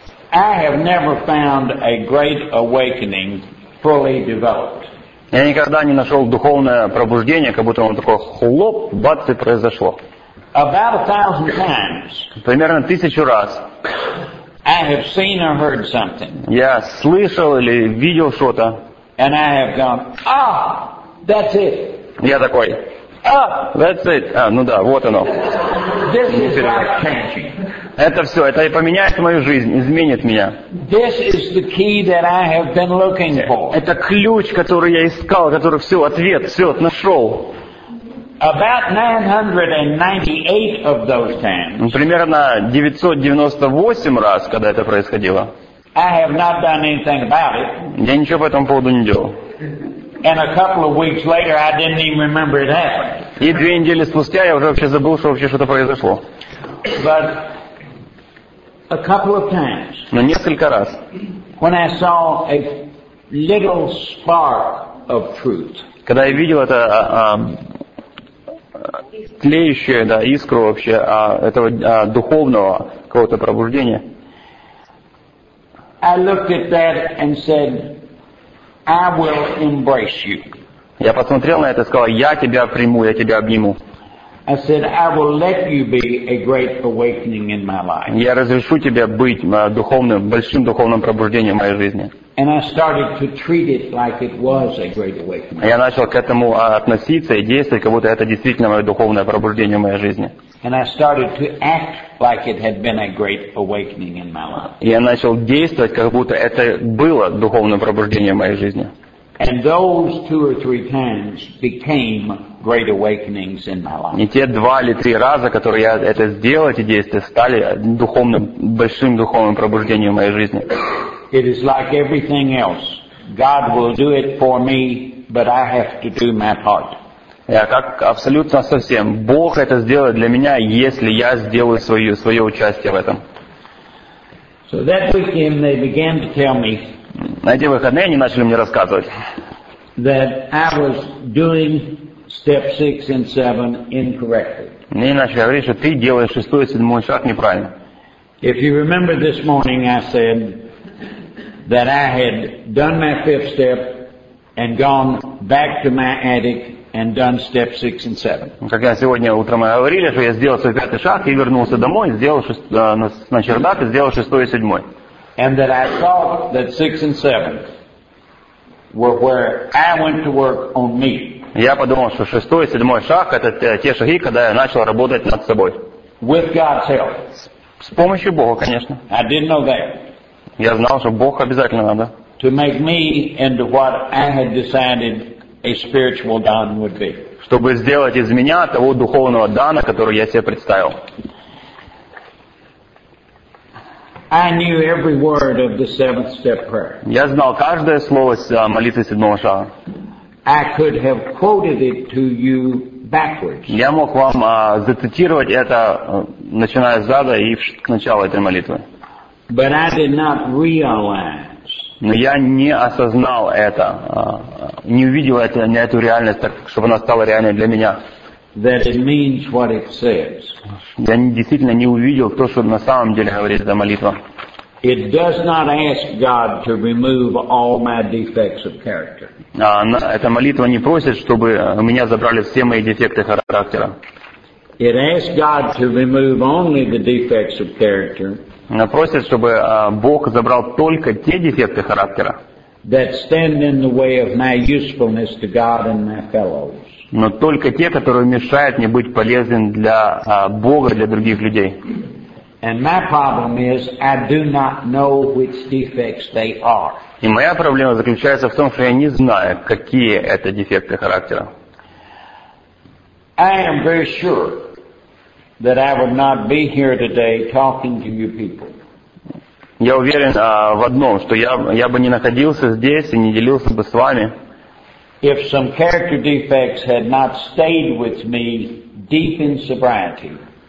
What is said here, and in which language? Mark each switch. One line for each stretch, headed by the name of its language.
English: I have never found a great awakening fully developed.
Russian: Я никогда не нашел духовное пробуждение, как будто оно такое хлоп, бац, и произошло.
English: About 1,000 times.
Russian: Примерно 1,000 раз.
English: I have seen or heard something.
Russian: Я слышал или видел что-то.
English: And I have gone, ah, that's it.
Russian: Я такой:
English: that's it.
Russian: Ну да, вот оно.
English: This is life changing.
Russian: Это все, это и поменяет мою жизнь, изменит меня.
English: This is the key that I have been looking for.
Russian: Это ключ, который я искал, который все, ответ, все, нашел.
English: About 998 of those times.
Russian: Примерно 998 раз, когда это происходило.
English: I have not done anything about it.
Russian: Я ничего по этому поводу не делал.
English: And a couple of weeks later, I didn't even remember it happened.
Russian: И две недели спустя я уже вообще забыл, что вообще что-то произошло.
English: But a couple of times.
Russian: Но несколько раз.
English: When I saw a little spark of truth.
Russian: Когда я видел это тлеющее, да, искру вообще этого духовного какого-то пробуждения.
English: I looked at that and said, I will embrace you.
Russian: Я посмотрел на это и сказал: я тебя приму, я тебя обниму.
English: I said, I will let you be a great awakening in my life.
Russian: Я разрешу тебе быть духовным, большим духовным пробуждением в моей жизни.
English: And I started to treat it like it was a great awakening.
Russian: Я начал к этому относиться и действовать, как будто это действительно мое духовное пробуждение в моей жизни.
English: And I started to act like it had been a great awakening in my life.
Russian: Я начал действовать, как будто это было духовное пробуждение в моей жизни.
English: And those two or three times became great awakenings in my life.
Russian: И те два или три раза, которые я это сделал, эти действия, стали духовным, большим духовным пробуждением в моей жизни.
English: It is like everything else. God will do it for me, but I have to do my part.
Russian: Я как абсолютно совсем. Бог это сделает для меня, если я сделаю свое участие в этом.
English: So that weekend they began to tell me.
Russian: На эти выходные они начали мне рассказывать.
English: That I was doing step 6 and 7 incorrectly.
Russian: Мне начали говорить, что ты делаешь 6-й и 7-й шаг неправильно.
English: If you remember this morning, I said that I had done my fifth step and gone back to my attic and done step 6 and 7.
Russian: Как я сегодня утром говорили, что я сделал свой пятый шаг и вернулся домой, сделал на чердак и сделал 6-й и 7-й.
English: And that I thought that 6 and 7 were where I went to work on me.
Russian: Я подумал, что 6-й и 7-й шаг это те шаги, когда я начал работать над собой.
English: With God's help.
Russian: С помощью Бога, конечно.
English: I didn't know that.
Russian: Я знал, что Бог обязательно надо.
English: To make me into what I had decided a spiritual Don would be.
Russian: Чтобы сделать из меня того духовного Дана, который я себе представил.
English: I knew every word of the seventh step prayer.
Russian: Я знал каждое слово молитвы седьмого шага.
English: I could have quoted it to you backwards.
Russian: Я мог вам зацитировать это, начиная с зада и к началу этой молитвы.
English: But I did not realize
Russian: Но я не осознал это, не увидел это, не эту реальность, так, чтобы она стала реальной для меня.
English: That it means what it says.
Russian: Я действительно не увидел то, что на самом деле говорит эта молитва.
English: It does not ask God to remove all my defects of character.
Russian: Эта молитва не просит, чтобы у меня забрали все мои дефекты характера.
English: It asks God to remove only the defects of character.
Russian: Она просит, чтобы Бог забрал только те дефекты характера.
English: That stand in the way of my usefulness to God and my fellows.
Russian: Но только те, которые мешают мне быть полезным для Бога, для других людей.
English: And my problem is, I do not know which defects they are.
Russian: И моя проблема заключается в том, что я не знаю, какие это дефекты характера.
English: I am very sure that I would not be here today talking to you people.
Russian: Я уверен в одном, что я бы не находился здесь и не делился бы с вами.
English: If some character defects had not stayed with me deep in sobriety.